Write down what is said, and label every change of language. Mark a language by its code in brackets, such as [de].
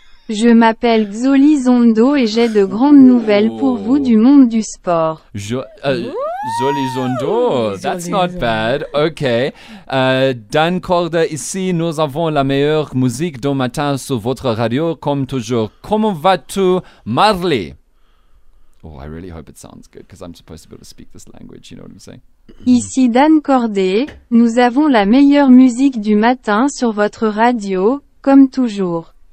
[fr] Je m'appelle Xoli Zondo et j'ai de grandes nouvelles pour vous du monde du sport. [en] Xoli Zondo, that's not bad. Ok. [fr] Dan Corder ici, nous avons la meilleure musique du matin sur votre radio, comme toujours. Comment vas-tu, Marley? [en] Oh, I really hope it sounds good, because I'm supposed to be able to speak this language, you know what I'm saying? [fr] Ici Dan Corder, nous avons la meilleure musique du matin sur votre radio, comme toujours.